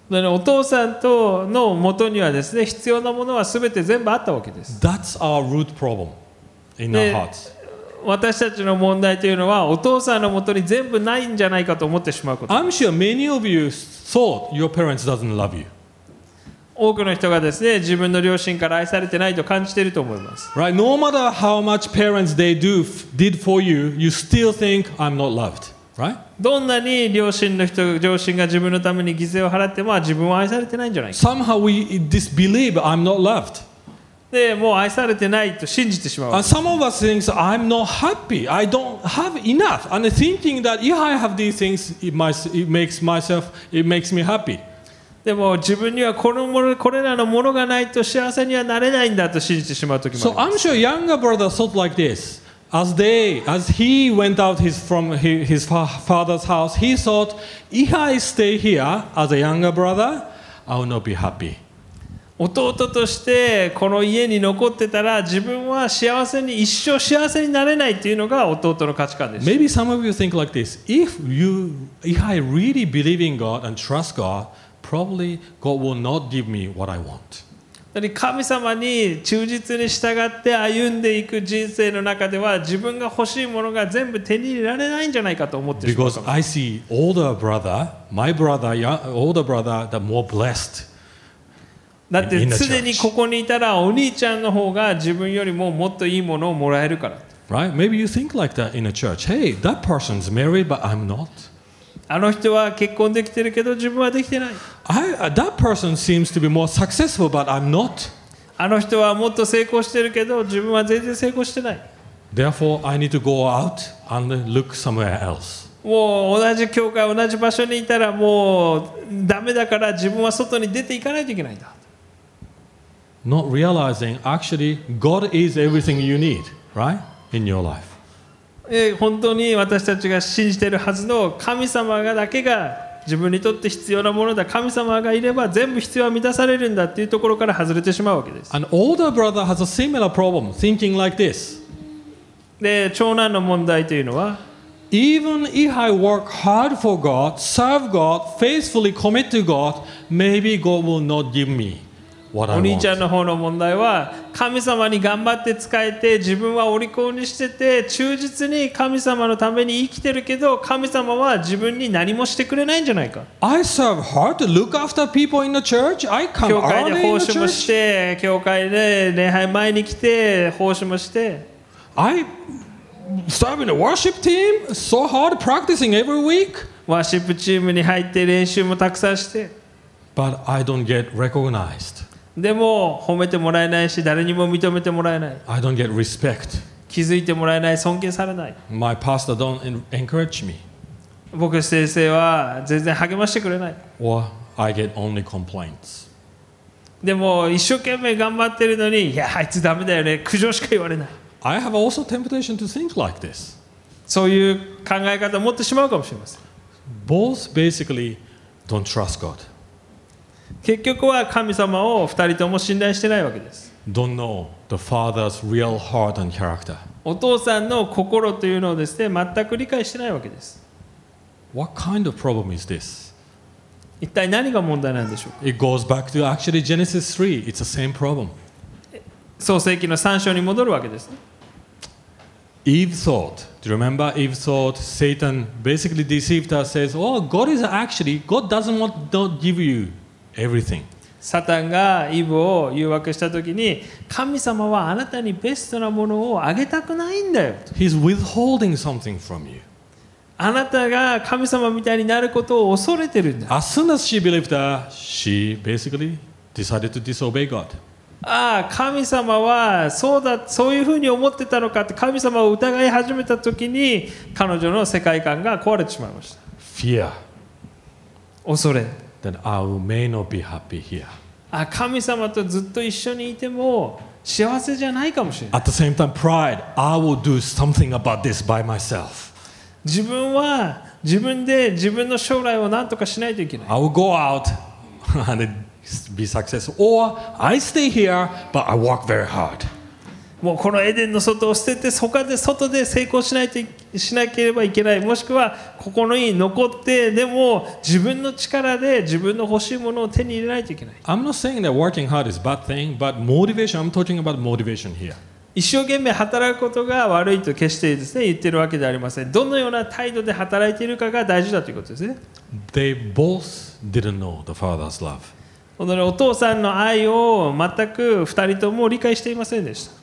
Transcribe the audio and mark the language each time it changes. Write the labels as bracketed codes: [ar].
[ja] お父さんとの元にはですね、必要なものは全て全部あったわけです。 [en] That's our root problem in our hearts. [ja] 私たちの問題というのは、お父さんのもとに全部ないんじゃないかと思ってしまうこと。 [en] I'm sure many of you thought your parents doesn't love you. [ja] 多くの人がですね、自分の両親から愛されてないと感じていると思います。 [en] Right? No matter how much parents they did for you, you still think I'm not loved. Right? [ja] どんなに両親が自分のために犠牲を払っても、自分は愛されてないんじゃないか。 [en] Somehow we disbelieve I'm not loved. [ja] でもう愛されてないと信じてしまう。 [en] And some of us think I'm not happy. I don't have enough. And thinking that if I have these things, it makes me happy. [ja] でも自分にはこれらのものがないと幸せにはなれないんだと信じてしまう時もあります。 [en] So I'm sure younger brother thought like this. As he went out from his father's house, he thought, if I stay here as a younger brother, I will not be happy. [ja] 弟としてこの家に残ってたら、自分は幸せに一生幸せになれないというのが弟の価値観です。 [en] Maybe some of you think like this. If I really believe in God and trust God, probably God will not give me what I want. [ja] 神様に忠実に従って歩んでいく人生の中では、自分が欲しいものが全部手に入れられないんじゃないかと思ってしまうかもしれない。 [en] Because I see older brother, my brother, older brother, the more blessed [ja] だって常にここにいたらお兄ちゃんの方が自分よりももっといいものをもらえるから。 [en] Right? Maybe you think like that in a church. Hey, that person's married, but I'm not. [ja] あの人は結婚できてるけど自分はできてない。 [en] That person seems to be more successful, but I'm not. [ja] あの人はもっと成功してるけど自分は全然成功してない。 [en] Therefore, I need to go out and look somewhere else. [ja] もう同じ教会同じ場所にいたらもうダメだから自分は外に出ていかないといけないんだ。 [en] Not realizing actually God is everything you need, right? In your life. [ja] 本当に私たちが信じているはずの神様がだけが自分にとって必要なものだ。神様がいれば全部必要は満たされるんだっていうところから外れてしまうわけです。 [en] An older brother has a similar problem, thinking like this. [ja] で、長男の問題というのは、 [en] Even if I work hard for God, serve God, faithfully commit to God, maybe God will not give me. [ja] お兄ちゃんの方の問題は神様に頑張って仕えて自分はお利口にしてて忠実に神様のために生きてるけど神様は自分に何もしてくれないんじゃないか。 [en] I serve hard to look after people in the church. I come early in the church. [ja] 教会で奉仕もして、教会で礼拝前に来て奉仕もして。 [en] I serve in the worship team. So hard practicing every week. [ja] ワーシップチームに入って練習もたくさんして。 [en] But I don't get recognized. [ja] でも褒めてもらえないし誰にも認めてもらえない。 [en] I don't get respect. [ja] 気づいてもらえない、尊敬されない。 [en] My pastor don't encourage me. [ja] 僕先生は全然励ましてくれない。 [en] Or I get only complaints. [ja] でも一生懸命頑張ってるのに、いやあいつダメだよね、苦情しか言われない。 [en] I have also temptation to think like this. [ja] そういう考え方を持ってしまうかもしれません。 [en] Both basically don't trust God. [ja] 結局は神様を2人とも信頼してないわけです。 [en] Don't know the father's real heart and character. [ja] お父さんの心というのをですね、全く理解してないわけです。 [en] What kind of problem is this? [ja] 一体何が問題なんでしょうか? [en] It goes back to actually Genesis 3. It's the same problem. [ja] 創世記の3章に戻るわけですね。 [en] Eve thought. Do you remember Eve thought Satan basically deceived her, says, Oh, God is actually, God doesn't want to give youEverything. [ja] サタンがイブを誘惑したときに、神様はあなたにベストなものをあげたくないんだよ。 [en] He's withholding something from you. [ja] あなたが神様みたいになることを恐れてるんだ。 [en] As soon as she believed that, she basically decided to disobey God. [ja] ああ、神様はそうだ、そういうふうに思ってたのかって神様を疑い始めたときに、彼女の世界観が壊れてしまいました。 [en] Fear. [ja] 恐れ。 [en] Then I may not be happy here. [ja] Ah, 神様とずっと一緒にいても幸せじゃないかもしれない。 [en] At the same time, pride. I will do something about this by myself. [ja] 自分は自分で自分の将来を何とかしないといけない。 [en] I will go out and be successful, or I stay here, but I work very hard. [ja] もうこのエデンの外を捨てて他で外で成功しないといけない。しなければいけない。もしくはここのに残ってでも自分の力で自分の欲しいものを手に入れないといけない。 [en] I'm not saying that working hard is a bad thing, but motivation. I'm talking about motivation here. [ja] 一生懸命働くことが悪いと決してですね言ってるわけではありません。どのような態度で働いているかが大事だということですね。 [en] They both didn't know the father's love. [ja] このお父さんの愛を全く二人とも理解していませんでした。